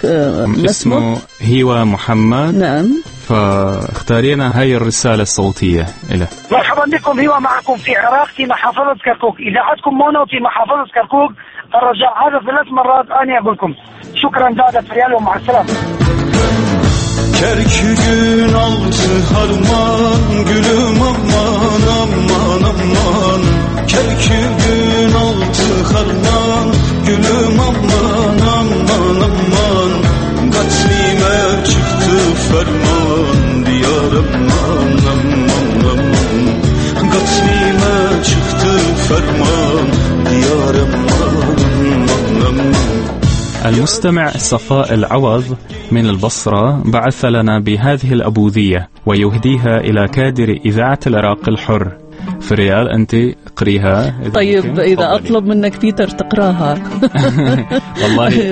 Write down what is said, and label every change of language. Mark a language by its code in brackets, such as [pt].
[ar] اسمه هيوا محمد. نعم. فاختارينا هاي الرسالة الصوتية إلى. مرحبا بكم، هيوا معكم في عراق في محافظة كركوك، إذاعتكم مونو في محافظة كركوك. الرجاء هذا ثلاث مرات أنا أقول لكم شكرا دادة فريال ومع السلامة. [tr] Kerkükün altı harman, gülüm aman aman aman. Kerkükün altı harman, gülüm aman aman aman. Katlime çıktı ferman, diyar aman aman aman. Katlime çıktı ferman, diyar aman aman aman. [ar] المستمع صفاء العوض من البصرة بعث لنا بهذه الأبوذية ويهديها إلى كادر إذاعة العراق الحر. فريال أنت قريها. طيب إذا أطلب منك بيتر تقراها. والله